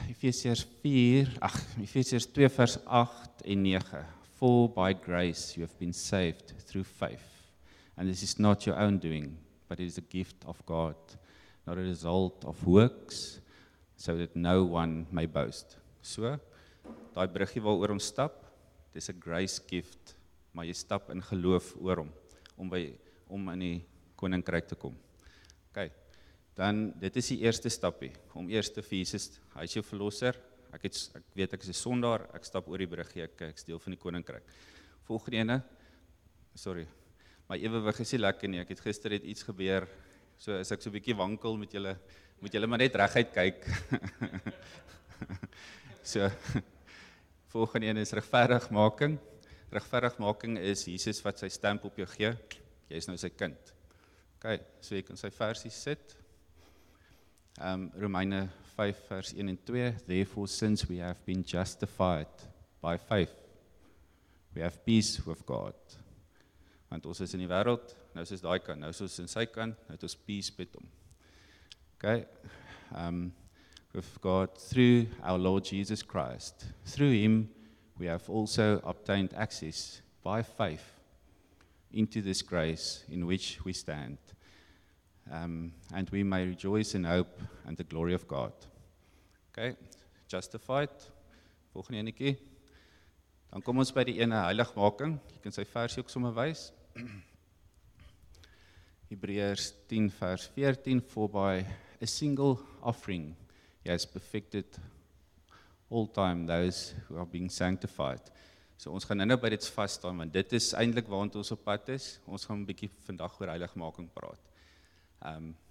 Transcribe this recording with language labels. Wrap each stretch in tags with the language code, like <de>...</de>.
<af>Efesiërs 2 vers 8 en 9,</af> <en>for by grace you have been saved through faith, and this is not your own doing, but it is a gift of God, not a result of works, so that no one may boast.</en> <af>So, daai bruggie waaroor ons stap, dis 'n</af> <en>grace gift,</en> <af>maar jy stap in geloof oor hom, om in die koninkryk te kom. Oké, okay, dan dit is die eerste stapie, om eerst te Jesus, hy is jou verlosser, ek weet ek is 'n sondaar, ek stap oor die brug, ek is deel van die koninkryk. Volgende ene, sorry, my ewewig is nie lekker nie, ek het gister het iets gebeur, so as ek so bietjie wankel met julle, moet julle maar net reguit kyk. So, volgende ene is regverdigmaking. Regverdigmaking is Jesus wat sy stamp op jou gee, jy is nou sy kind. Oké, okay, so jy kan sy versie sit. Romeine 5 vers 1 en 2,</af> <en>therefore since we have been justified by faith, we have peace with God.</en> <af>Want ons is in die wêreld, nou is ons daai kant, nou is ons in sy kant, nou het ons peace met hom.</af> <en>Oké, okay, with God through our Lord Jesus Christ, through him we have also obtained access by faith into this grace in which we stand, and we may rejoice in hope and the glory of God. Okay,</en> <af>justified. Volgende enetjie. Dan kom ons by die ene heiligmaking. Jy kan sy versie ook sommer wys. Hebreërs 10 vers 14,</af> <en>for by a single offering he has perfected all time those who are being sanctified.</en> <af>So ons gaan nou by dit vas staan, want dit is eintlik waarna ons op pad is. Ons gaan 'n bietjie vandag oor heiligmaking praat.</af>